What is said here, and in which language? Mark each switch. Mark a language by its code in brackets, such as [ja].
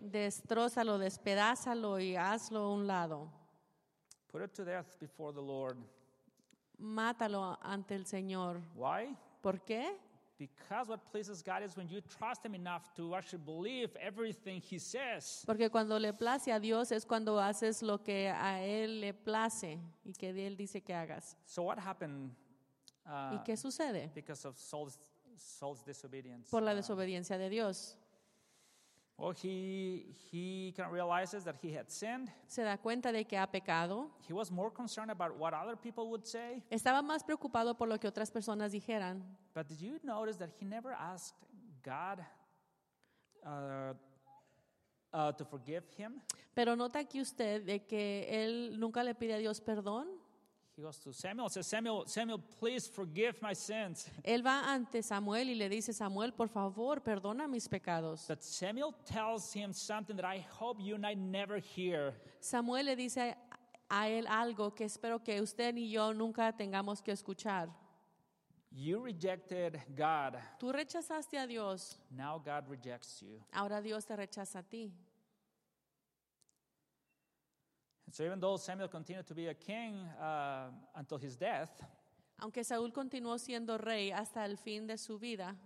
[es] Destrózalo, despedázalo y hazlo a un lado. [en] Put it to death before the Lord. [es] Mátalo ante el Señor. [en] Why? [es] ¿Por qué? [en] Because what pleases God is when you trust Him enough to actually believe everything He says. [es] Porque cuando le place a Dios es cuando haces lo que a Él le place y que Él dice que hagas. [en] So what happened? [es] ¿Y qué sucede? [en] Because of Saul's disobedience. [es] Por la desobediencia de Dios. [en] Well, he kind of realizes that he had sinned. [es] Se da cuenta de que ha pecado. [en] He was more concerned about what other people would say. [es] Estaba más preocupado por lo que otras personas dijeran. [en] But did you notice that he never asked God to forgive him? [es] Pero nota aquí usted de que él nunca le pide a Dios perdón. [en] He goes to Samuel and says, Samuel, please forgive my sins. [es] Él va ante Samuel y le dice, Samuel, por favor, perdona mis pecados. [en] But Samuel tells him something that I hope you and I never hear. [es] Samuel le dice a él algo que espero que usted ni yo nunca tengamos que escuchar. [en] You rejected God. [es] Tú rechazaste a Dios. [en] Now God rejects you. [es] Ahora Dios te rechaza a ti. [en] So even though Samuel continued to be a king until his death, [es] aunque Saúl continuó siendo rey hasta el fin de su vida,